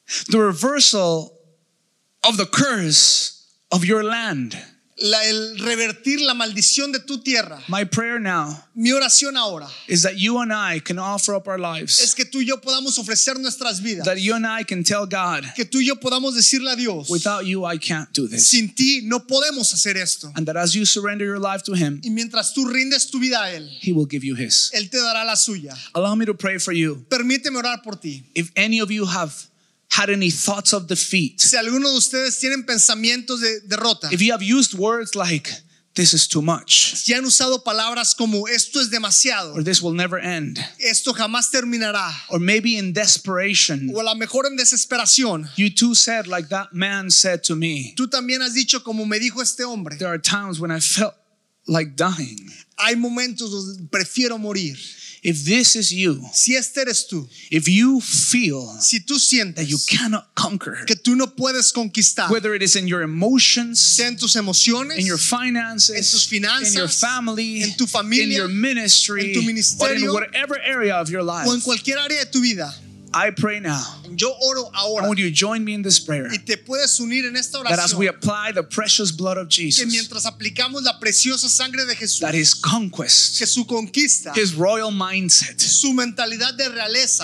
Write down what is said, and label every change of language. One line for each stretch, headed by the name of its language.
English: the reversal of the curse of your land
Spanish: el revertir la maldición de tu tierra.
English: My prayer now
Spanish: mi oración ahora
English: is that you and I can offer up our lives
Spanish: es que tú y yo podamos ofrecer nuestras vidas
English: that you and I can tell God
Spanish: que tú y yo podamos decirle a Dios
English: without you I can't do this
Spanish: sin ti no podemos hacer esto
English: and that as you surrender your life to him
Spanish: y mientras tú rindes tu vida a él
English: he will give you his
Spanish: él te dará la suya
English: allow me to pray for you
Spanish: permíteme orar por ti
English: if any of you have had any thoughts of defeat.
Spanish: Si alguno de ustedes tienen pensamientos de derrota.
English: If you have used words like this is too much.
Spanish: Si han usado palabras como esto es demasiado.
English: Or this will never end.
Spanish: Esto jamás terminará.
English: Or maybe in desperation.
Spanish: O a lo mejor en desesperación.
English: You too said like that man said to me.
Spanish: Tú también has dicho como me dijo este hombre.
English: There are times when I felt like dying.
Spanish: Hay momentos donde prefiero morir.
English: If this is you,
Spanish: si este eres tú,
English: if you feel
Spanish: si tú sientes
English: that you cannot conquer,
Spanish: que tú no puedes conquistar,
English: whether it is in your emotions,
Spanish: sea en tus emociones,
English: in your finances,
Spanish: en tus finanzas,
English: in your family,
Spanish: en tu familia,
English: in your ministry,
Spanish: en tu ministerio,
English: or in whatever area of your life,
Spanish: o en cualquier área de tu vida,
English: I pray now.
Spanish: Yo oro ahora.
English: Would you join me in this prayer?
Spanish: Y te puedes unir en esta oración.
English: That as we apply the precious blood of Jesus.
Spanish: Que mientras aplicamos la preciosa sangre de Jesús.
English: That his conquest.
Spanish: Que su conquista.
English: His royal mindset.
Spanish: Su mentalidad de realeza.